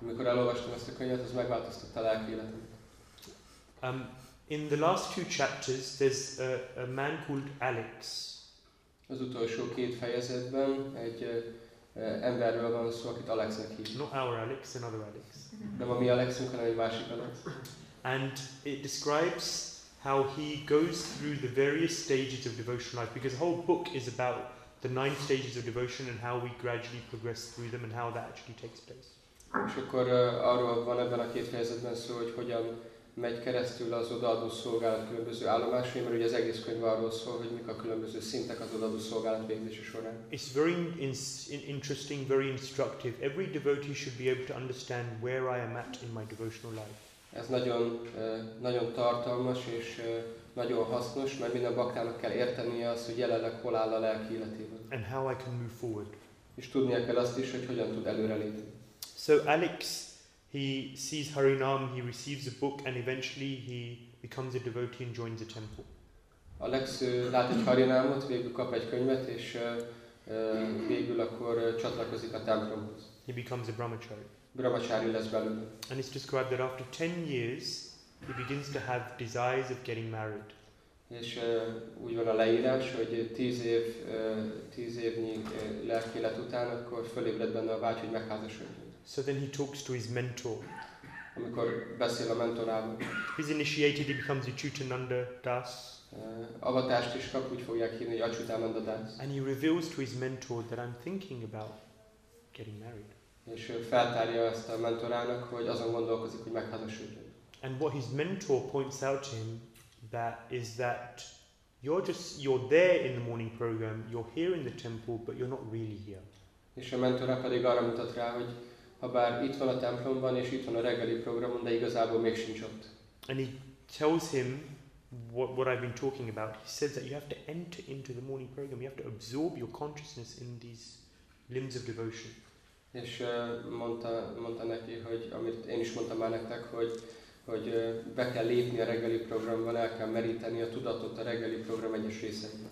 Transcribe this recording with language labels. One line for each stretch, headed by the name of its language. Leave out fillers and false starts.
Hungarian: Amikor elolvastam ezt a könyvet, az megváltoztatta a lelki életem.
English: In the last two chapters, there's a man called Alex.
Hungarian: Az utolsó két fejezetben egy emberről van szó, akit Alexnek hív.
English: Not our Alex, another Alex.
Hungarian: Nem a mi Alexünk, hanem egy másik Alex.
English: And it describes how he goes through the various stages of devotional life, because the whole book is about the nine stages of devotion and how we gradually progress through them and how that actually takes place.
Hungarian: És akkor arról van ebben a két fejezetben szó, hogy hogyan megy keresztül az odaadó szolgálat különböző állomásai, mert ugye az egész könyv arról szól, hogy mik a különböző szintek az odaadó szolgálat végzése során.
English: It's very interesting, very instructive. Every devotee should be able to understand where I am at in my devotional life.
Hungarian: Ez nagyon nagyon tartalmas és nagyon hasznos, mert minden baktának kell értenie azt, hogy jelenleg hol áll a lelki életében.
English: And how I can move forward.
Hungarian: És tudnia kell azt is, hogy hogyan tud előrelépni.
English: So Alex, he sees Harinam, he receives a book, and eventually he becomes a devotee and joins a temple.
Hungarian: Alex lát egy Harinamot, végül kap egy könyvet, és végül akkor csatlakozik a templomhoz.
English: He becomes a brahmachari.
Hungarian: Brahmachari lesz belőle.
English: And it's described that after 10 years, he begins to have desires of getting married.
Hungarian: És úgy van a leírás, hogy 10 évnyi lelki élet után, akkor fölébred benne a vágy, hogy megházasodjon.
English: So then he talks to his mentor.
Hungarian: Amikor beszél a mentorával.
English: He's initiated, he becomes a Chuttananda Das.
Hungarian: Avatást is kap, úgy fogják hívni, hogy a Chuttananda Das.
English: And he reveals to his mentor that I'm thinking about getting married.
Hungarian: És feltárja ezt a mentorának, hogy azon gondolkozik, hogy megházasodjon.
English: And what his mentor points out to him that is that you're there in the morning program, you're here in the temple, but you're not really here.
Hungarian: És a mentora pedig arra mutat rá, hogy habár itt van a templomban és itt van a reggeli programon, de igazából még sincs ott.
English: And he tells him what I've been talking about. He says that you have to enter into the morning program. You have to absorb your consciousness in these limbs of devotion.
Hungarian: És mondta neki, hogy amit én is mondtam már nektek, hogy be kell lépni a reggeli programban, el kell meríteni a tudatot a reggeli program egyes részein.